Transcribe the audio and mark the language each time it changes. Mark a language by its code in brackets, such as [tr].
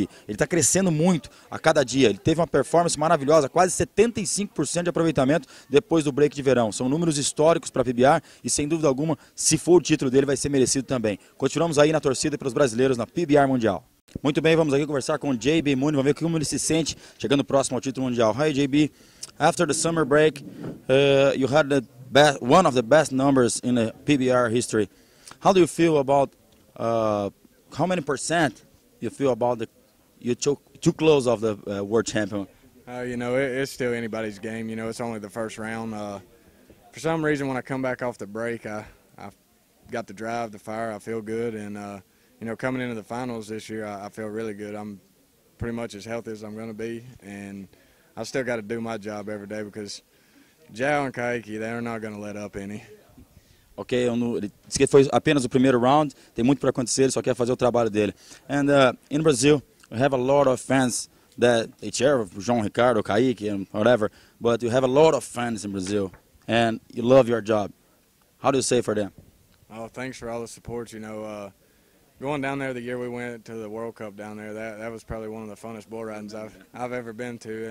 [pt] Ele está crescendo muito a cada dia. Ele teve uma performance maravilhosa, quase 75% de aproveitamento depois do break de verão. São números históricos para a PBR e, sem dúvida alguma, se for o título dele, vai ser merecido também. Continuamos aí na torcida pelos brasileiros na PBR Mundial. Muito bem, vamos aqui conversar com o JB Mauney. Vamos ver como ele se sente chegando próximo ao título mundial. [en] Hi JB, after the summer break, you had the best, one of the best numbers in the PBR history. How do you feel about how many percent you feel about the you took too close of the world champion? You know, it's still anybody's game. You know, it's only the first round. For some reason, when I come back off the break, I got the drive, the fire. I feel good and. You know, coming into the finals this year, I feel really good. I'm pretty much as healthy as I'm going to be, and I still got to do my job every day because Jao and Kaiki, they're not going to let up any. [pt] Ok, ele disse que foi apenas o primeiro round, tem muito para acontecer, ele só quer fazer o trabalho dele. [en] And in Brazil, we have a lot of fans that they cheer for João Ricardo, Kaiki, and whatever, but you have a lot of fans in Brazil, and you love your job. How do you say for them? Oh, thanks for all the support, you know. Going down there the year we went to the World Cup down there, that was probably one of the funnest bull ridings I've ever been to.